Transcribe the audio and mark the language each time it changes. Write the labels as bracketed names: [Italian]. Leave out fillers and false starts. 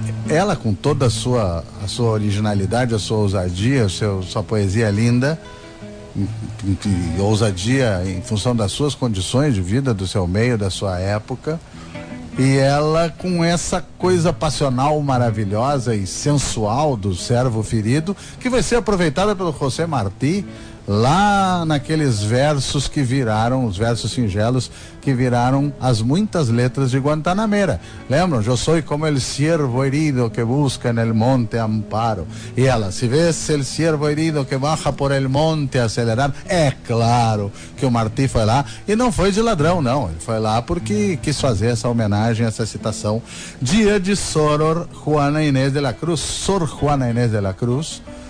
[Portuguese] Ela, com toda a sua originalidade, a sua ousadia, sua poesia linda, ousadia em função das suas condições de vida, do seu meio, da sua época, e ela com essa coisa passional, maravilhosa e sensual do servo ferido, que vai ser aproveitada pelo José Martí, lá naqueles versos que viraram, os versos singelos, que viraram as muitas letras de Guantanamera. Lembram? [Spanish] Yo soy como el ciervo herido que busca en el monte amparo. [Portuguese] E ela, [Spanish] si ves el ciervo herido que baja por el monte acelerar, [Portuguese] é claro que o Martí foi lá, e não foi de ladrão, não. Ele foi lá porque quis fazer essa homenagem, essa citação. Dia de Soror Juana Inês de la Cruz, Sor Juana Inês de la Cruz.